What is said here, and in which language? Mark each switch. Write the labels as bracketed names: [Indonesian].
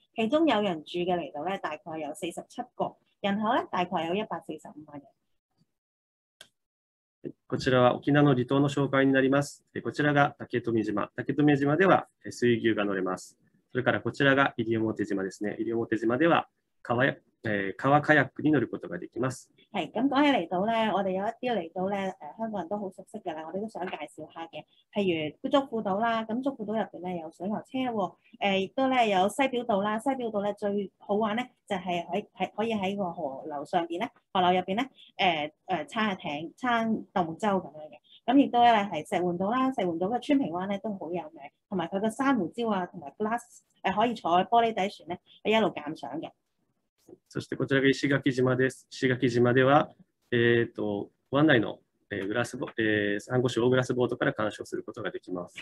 [Chinese] 其中有人住的離島大概有47個，人口大概有145萬人。 [Japanese] こちらは沖縄の離島の紹介になります。こちらが竹富島、竹富島では水牛が乗れます。それからこちらが西表島ですね。西表島では 川カヤックに乗ることができます。 [Chinese] はい、講起離島呢，我們有一些離島呢香港人都很熟悉的，我們都想介紹一下的，譬如竹富島啦。那竹富島裡面呢有水牛車，也都呢有西表島啦。西表島呢最好玩呢就是可以在個河流上面呢，河流裡面呢撐下艇、撐獨木舟這樣的。那也都呢是石門島啦，石門島的川平灣呢都很有名，還有它的珊瑚礁啊，還有 glass 可以坐玻璃底船呢一直鑑賞的。 [Japanese] そしてこちらが石垣島です。石垣島では湾内のグラスボ、サンゴ礁グラスボートから鑑賞することができます。